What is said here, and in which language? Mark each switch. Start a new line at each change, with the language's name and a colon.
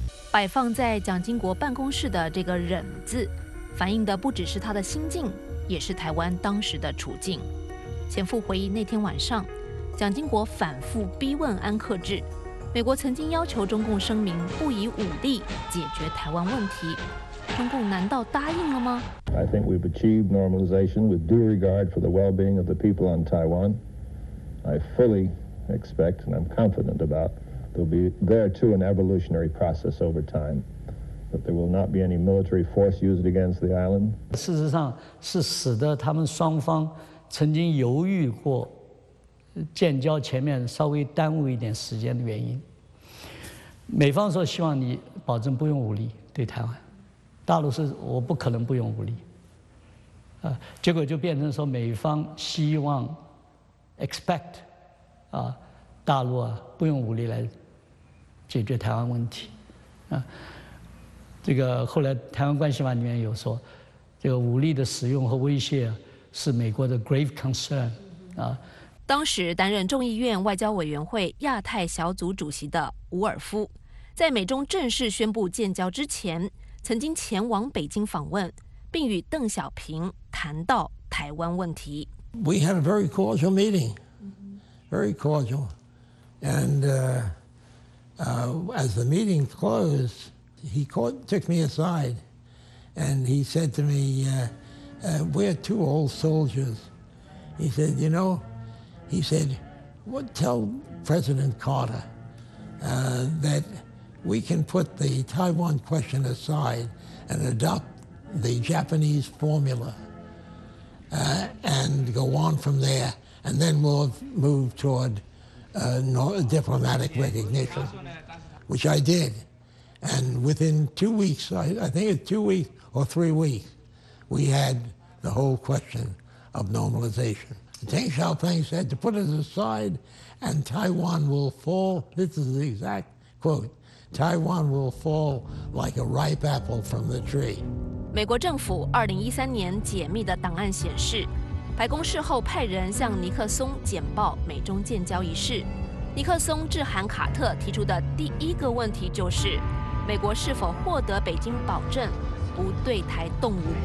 Chinese: 摆放在蒋经国办公室的这个忍字，反映的不只是他的心境，也是台湾当时的处境。前夫回忆，那天晚上蒋经国反复逼问安克志，美国曾经要求中共声明不以武力解决台湾问题，中共难道答应了吗？
English: I think we've achieved normalization with due regard for the well-being of the people on Taiwan. I fully expect and I'm confident about there'll be there too an evolutionary process over time, but there will not be any military force used against the island.
Chinese: 事实上是使得他们双方曾经犹豫过建交前面稍微耽误一点时间的原因。美方说希望你保证不用武力对台湾，大陆是我不可能不用武力，结果就变成说美方希望 expect 啊，大陆啊不用武力来解决台湾问题，这个后来台湾关系法里面有说，这个武力的使用和威胁是美国的
English: grave concern
Chinese: 啊。当时担任众议院外交委员会亚太小组主席的伍尔夫，在美中正式宣布建交之前，曾经前往北京访问，并与邓小平谈到台湾问题。
English: We had a very cordial meeting, very cordial. And as the meeting closed, he took me aside and he said to me, "We're two old soldiers." He said, "You know,He said, "What tell President Carter that we can put the Taiwan question aside and adopt the Japanese formula and go on from there, and then we'll move toward diplomatic recognition," which I did. And within 2 weeks, I think it's 2 weeks or 3 weeks, we had the whole question of normalization. Deng Xiaoping said to put it aside and Taiwan will fall, this is the exact quote, Taiwan will fall like a ripe apple from the tree.
Chinese: 美国政府2013年解密的档案显示，白宫事后派人向尼克松简报美中建交一事。尼克松致函卡特提出的第一个问题就是，美国是否获得北京保证不对台动武。